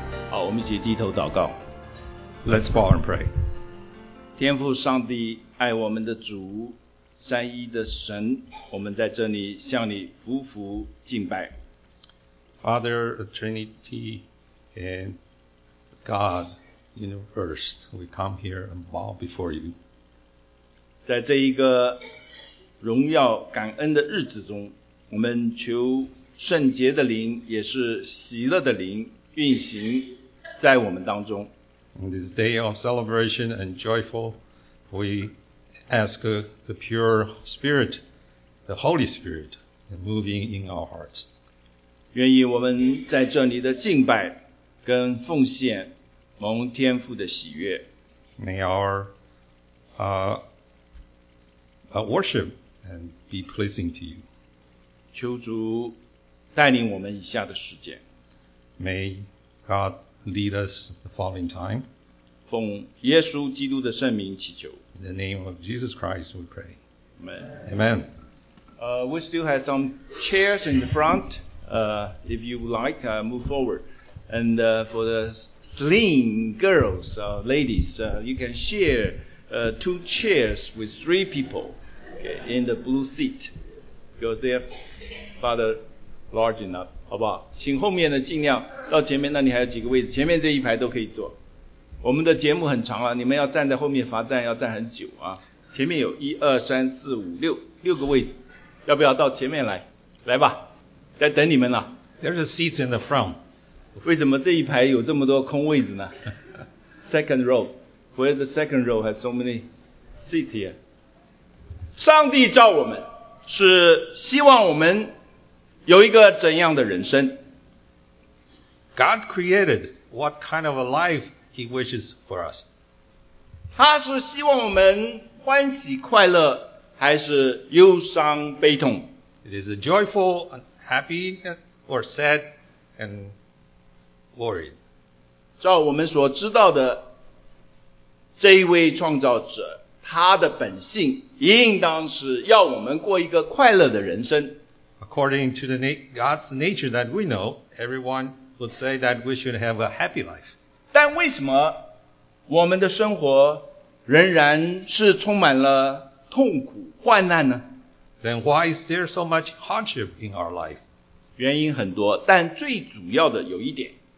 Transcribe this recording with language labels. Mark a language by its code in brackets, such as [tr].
[zh] 好，我们一起低头祷告。 [en] Let's bow and pray. [zh] 天父上帝，爱我们的主，三一的神，我们在这里向你俯伏敬拜。 [en] Father, Trinity, and God, Universe, we come here and bow before you. [zh] 在这一个荣耀感恩的日子中，我们求圣洁的灵，也是喜乐的灵运行在我们当中。 [en] In this day of celebration and joyful, we ask the pure spirit, the Holy Spirit, moving in our hearts. [zh] 愿意我们在这里的敬拜跟奉献蒙天父的喜悦。 [en] May our worship and be pleasing to you. [zh] 求主带领我们以下的时间。 [en] May GodLead us the following time. [zh] 奉耶稣基督的圣名祈求。 [en] In the name of Jesus Christ, we pray. Amen. Amen. We still have some chairs in the front. If you like, move forward. And for the slim girls, ladies, you can share two chairs with three people, okay, in the blue seat. Because they are rather large enough. [zh] 好不好？请后面的尽量到前面，那里还有几个位置，前面这一排都可以坐。我们的节目很长啊，你们要站在后面罚站，要站很久啊。前面有一二三四五六六个位置，要不要到前面来？来吧，在等你们了。 [en] There's a seat in the front. [zh] 为什么这一排有这么多空位置呢 ？ [en] Second row, where the second row has so many seats here. [zh] 上帝造我们是希望我们。有一个怎样的人生？ [en] God created what kind of a life He wishes for us. [zh] 他是希望我们欢喜快乐，还是忧伤悲痛？ [en] It is a joyful, happy, or sad and worried. [zh] 照我们所知道的，这一位创造者，他的本性应当是要我们过一个快乐的人生。 [en] According to the God's nature that we know, everyone would say that we should have a happy life. [zh] 但为什么我们的生活仍然是充满了痛苦、患难呢？ [en] Then why is there so much hardship in our life? [zh] 原因很多，但最主要的有一点。